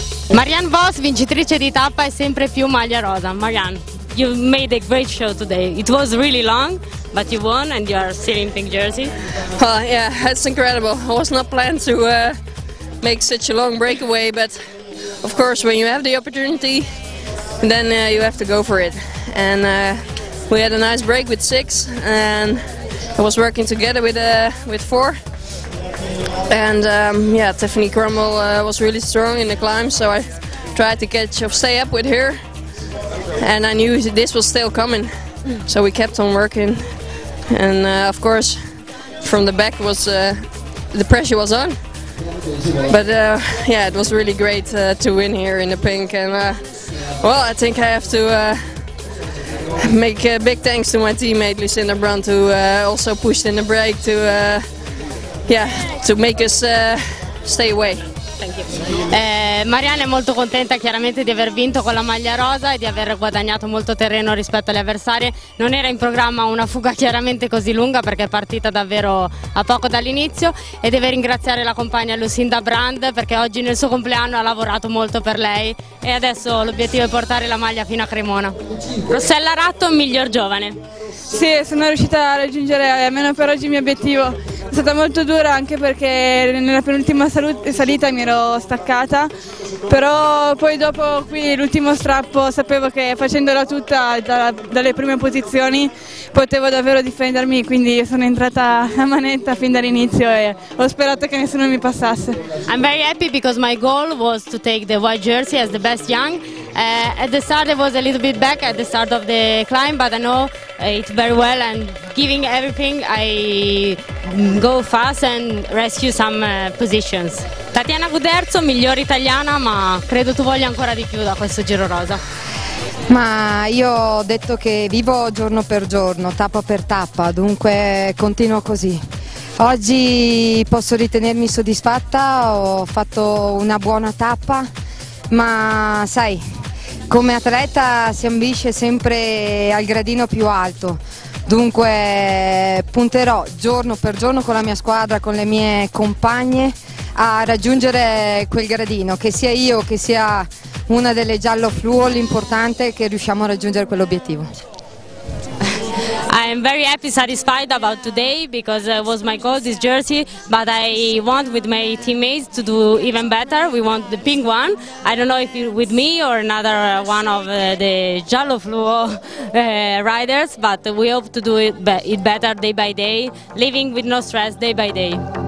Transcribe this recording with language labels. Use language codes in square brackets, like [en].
[it] Marianne Vos, vincitrice di tappa e sempre più maglia rosa. [en] Marianne, you made a great show today. It was really long, but you won and you are still in pink jersey. Oh yeah, that's incredible. I was not planned to make such a long breakaway, but of course when you have the opportunity, then you have to go for it. And we had a nice break with six, and I was working together with four. And yeah, Tiffany Crummell was really strong in the climb, so I tried to stay up with her, and I knew this was still coming, so we kept on working. And of course, from the back was the pressure was on, but yeah, it was really great to win here in the pink. And well, I think I have to make a big thanks to my teammate Lucinda Brandt, who also pushed in the break to to make us stay away. Thank you. [it] Marianne è molto contenta chiaramente di aver vinto con la maglia rosa e di aver guadagnato molto terreno rispetto alle avversarie. Non era in programma una fuga chiaramente così lunga, perché è partita davvero a poco dall'inizio, e deve ringraziare la compagna Lucinda Brand, perché oggi nel suo compleanno ha lavorato molto per lei, e adesso l'obiettivo è portare la maglia fino a Cremona. Rossella Ratto, miglior giovane. Sì, sono riuscita a raggiungere almeno per oggi il mio obiettivo. È stata molto dura, anche perché nella penultima salita mi ero staccata, però poi dopo qui l'ultimo strappo sapevo che facendola tutta dalle prime posizioni potevo davvero difendermi, quindi sono entrata a manetta fin dall'inizio e ho sperato che nessuno mi passasse. [en] I'm very happy because my goal was to take the white jersey as the best young. At the start I was a little bit back at the start of the climb, but I know it very well, and giving everything I go fast and rescue some positions. [it] Tatiana Guderzo, migliore italiana, ma credo tu voglia ancora di più da questo giro rosa. Ma io ho detto che vivo giorno per giorno, tappa per tappa, dunque continuo così. Oggi posso ritenermi soddisfatta, ho fatto una buona tappa, ma sai, come atleta si ambisce sempre al gradino più alto, dunque punterò giorno per giorno con la mia squadra, con le mie compagne, a raggiungere quel gradino, che sia io, che sia una delle giallo fluo, l'importante è che riusciamo a raggiungere quell'obiettivo. [en] I'm very happy, satisfied about today, because it was my goal, this jersey, but I want with my teammates to do even better. We want the pink one. I don't know if it's with me or another one of the giallo fluo riders, but we hope to do it better day by day, living with no stress day by day.